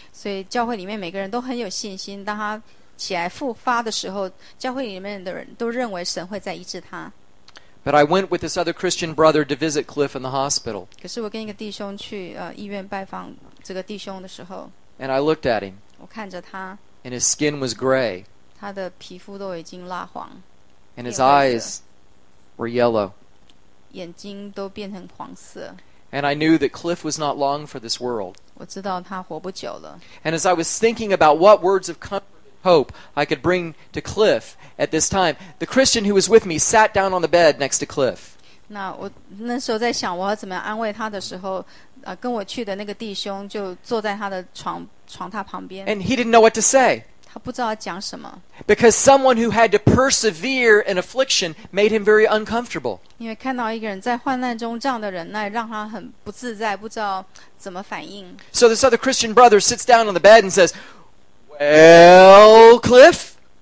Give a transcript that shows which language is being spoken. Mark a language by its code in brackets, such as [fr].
[zh] 所以教会里面每个人都很有信心，当他起来复发的时候，教会里面的人都认为神会再医治他。 [en] But I went with this other Christian brother to visit Cliff in the hospital. [zh] 可是我跟一个弟兄去医院拜访这个弟兄的时候。 [en] And I looked at him. [zh] 我看着他。 [en] And his skin was gray. [zh] 他的皮肤都已经蜡黄。 [en] And his eyes were yellow. [zh] 眼睛都变成黄色。 [en] And I knew that Cliff was not long for this world. [zh] 我知道他活不久了。 [en] And as I was thinking about what words of comfort and hope I could bring to Cliff at this time, the Christian who was with me sat down on the bed next to Cliff. [zh] 那我那时候在想我要怎么安慰他的时候，跟我去的那个弟兄就坐在他的床榻旁边。 [en] And he didn't know what to say. [zh] 他不知道要讲什么。 [en] Because someone who had to persevere in affliction made him very uncomfortable. [zh] 因为看到一个人在患难中这样的忍耐，让他很不自在，不知道怎么反应。 [en] So this other Christian brother sits down on the bed and says, "Well, Cliff."